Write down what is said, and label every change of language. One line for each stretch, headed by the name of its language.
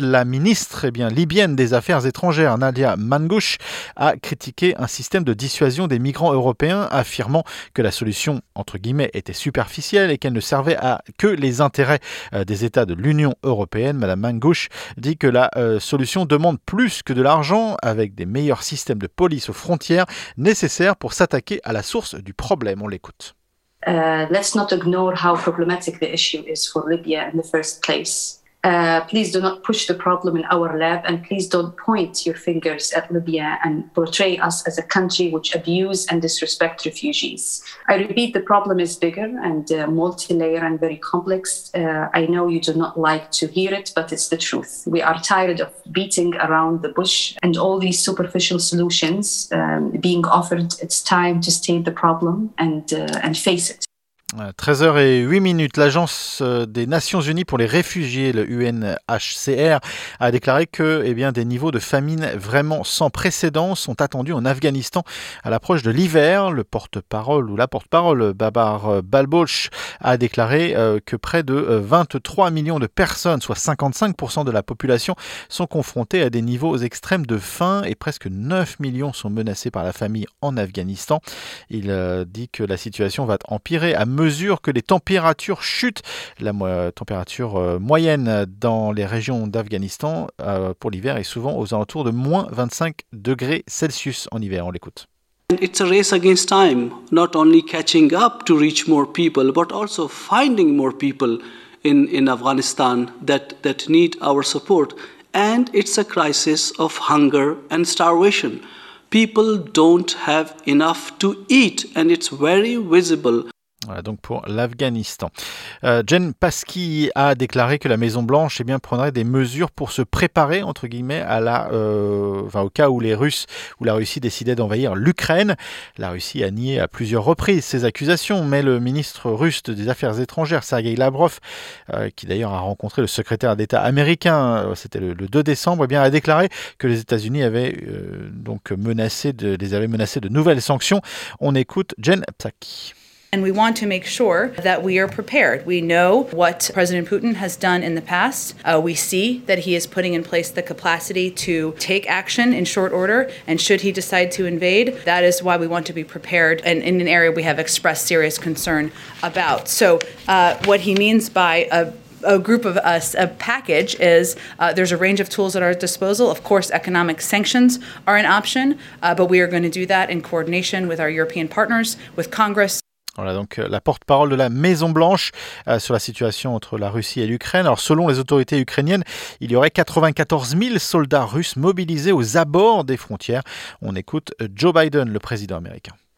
French: La ministre libyenne des Affaires étrangères, Nadia Mangouche, a critiqué un système de dissuasion des migrants européens, affirmant que la solution entre guillemets était superficielle et qu'elle ne servait à que les intérêts des États de l'Union européenne. Madame Mangouche dit que la solution demande plus que de l'argent, avec des meilleurs systèmes de police aux frontières nécessaires pour s'attaquer à la source du problème. On l'écoute.
English: Let's not ignore how problematic the issue is for Libya in the first place. Please do not push the problem in our lap, and please don't point your fingers at Libya and portray us as a country which abuses and disrespects refugees. I repeat, the problem is bigger and multi-layered and very complex. I know you do not like to hear it, but it's the truth. We are tired of beating around the bush and all these superficial solutions being offered. It's time to state the problem and face it.
French: 13h08, l'Agence des Nations Unies pour les réfugiés, le UNHCR, a déclaré que des niveaux de famine vraiment sans précédent sont attendus en Afghanistan à l'approche de l'hiver. Le porte-parole ou la porte-parole Babar Balbosh a déclaré que près de 23 millions de personnes, soit 55% de la population, sont confrontées à des niveaux extrêmes de faim et presque 9 millions sont menacés par la famine en Afghanistan. Il dit que la situation va empirer à mesure que les températures chutent. La température moyenne dans les régions d'Afghanistan pour l'hiver est souvent aux alentours de moins 25 degrés Celsius en hiver. On l'écoute.
English: It's a race against time, not only catching up to reach more people, but also finding more people in Afghanistan that need our support. And it's a crisis of hunger and starvation. People don't have enough to eat, and it's very visible.
French: Voilà donc pour l'Afghanistan. Jen Psaki a déclaré que la Maison-Blanche prendrait des mesures pour se préparer, entre guillemets, à la, au cas où les Russes ou la Russie décidaient d'envahir l'Ukraine. La Russie a nié à plusieurs reprises ces accusations, mais le ministre russe des Affaires étrangères, Sergei Lavrov, qui d'ailleurs a rencontré le secrétaire d'État américain, c'était le 2 décembre, a déclaré que les États-Unis avaient menacé de nouvelles sanctions. On écoute Jen Psaki.
English: And we want to make sure that we are prepared. We know what President Putin has done in the past. We see that he is putting in place the capacity to take action in short order. And should he decide to invade, that is why we want to be prepared and in an area we have expressed serious concern about. So what he means by a package is there's a range of tools at our disposal. Of course, economic sanctions are an option, but we are going to do that in coordination with our European partners, with Congress.
French: Voilà donc la porte-parole de la Maison-Blanche sur la situation entre la Russie et l'Ukraine. Alors selon les autorités ukrainiennes, il y aurait 94 000 soldats russes mobilisés aux abords des frontières. On écoute Joe Biden, le président américain.